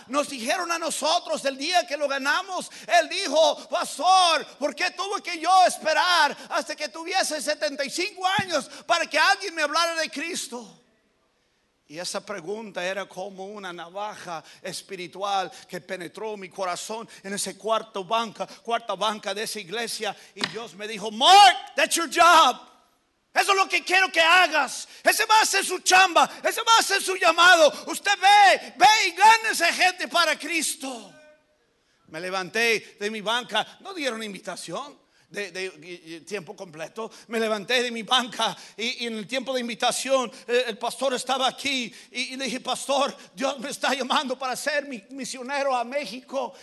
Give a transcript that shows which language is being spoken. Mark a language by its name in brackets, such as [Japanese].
[Spanish] Nos dijeron a nosotros del día que lo ganamos. Él dijo: pastor, ¿por qué tuve que yo esperar hasta que tuviese 75 años para que alguien me hablara de Cristo? Y esa pregunta era como una navaja espiritual que penetró mi corazón en ese cuarta banca de esa iglesia. Y Dios me dijo: Mark, [English] that's your job. [Spanish] Eso es lo que quiero que hagas. Ese va a ser su chamba. Ese va a ser su llamado. Usted ve y gane esa gente para Cristo. Me levanté de mi banca. No dieron invitación de tiempo completo. Me levanté de mi banca y en el tiempo de invitación el pastor estaba aquí y le dije: pastor, Dios me está llamando para ser mi misionero a México.